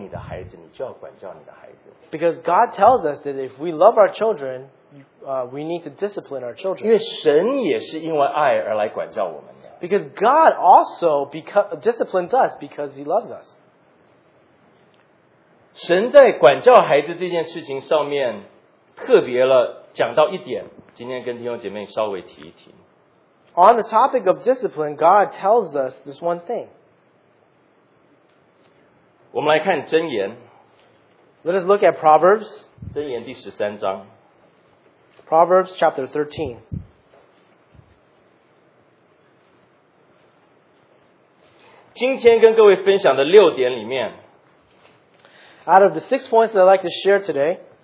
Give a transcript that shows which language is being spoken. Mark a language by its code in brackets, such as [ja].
[zh] 因为神告诉我们说，你爱你的孩子，你就要管教你的孩子。 [en] Because God tells us that if we love our children, we need to discipline our children. [zh] 因为神也是因为爱而来管教我们的。 [en] Because God also disciplines us because He loves us. [zh] 神在管教孩子这件事情上面特别了讲到一点，今天跟弟兄姐妹稍微提一提。 [en] On the topic of discipline, God tells us this one thing. [zh] 我们来看箴言。 [en] Let us look at Proverbs. [zh] 箴言第13章。 [en] Proverbs chapter 13. [zh] 今天跟各位分享的6点里面, [en] out of the 6 points that I'd like to share today,